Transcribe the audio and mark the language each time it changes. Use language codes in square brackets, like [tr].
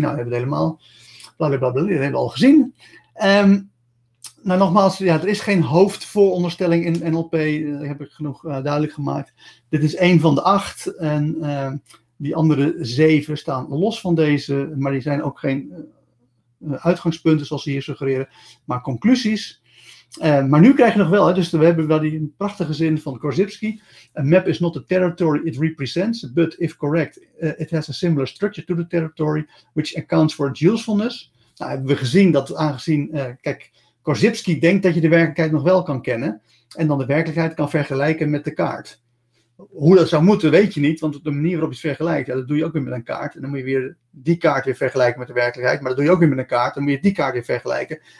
[nl] Nou, we hebben het helemaal, blablabla, dat hebben we al gezien. Nogmaals, ja, er is geen hoofdvooronderstelling in NLP, dat heb ik genoeg duidelijk gemaakt. Dit is 1 van de 8 en die andere 7 staan los van deze, maar die zijn ook geen uitgangspunten zoals ze hier suggereren, maar conclusies. Maar nu krijg je nog wel, hè, dus we hebben wel die prachtige zin van Korzybski. [en] A map is not the territory it represents, but if correct, it has a similar structure to the territory, which accounts for its usefulness. [nl] Nou, hebben we gezien dat aangezien, Korzybski denkt dat je de werkelijkheid nog wel kan kennen en dan de werkelijkheid kan vergelijken met de kaart. Hoe dat zou moeten, weet je niet, want de manier waarop je het vergelijkt, ja, dat doe je ook weer met een kaart. En dan moet je weer die kaart weer vergelijken met de werkelijkheid, maar dat doe je ook weer met een kaart. Dan moet je die kaart weer vergelijken.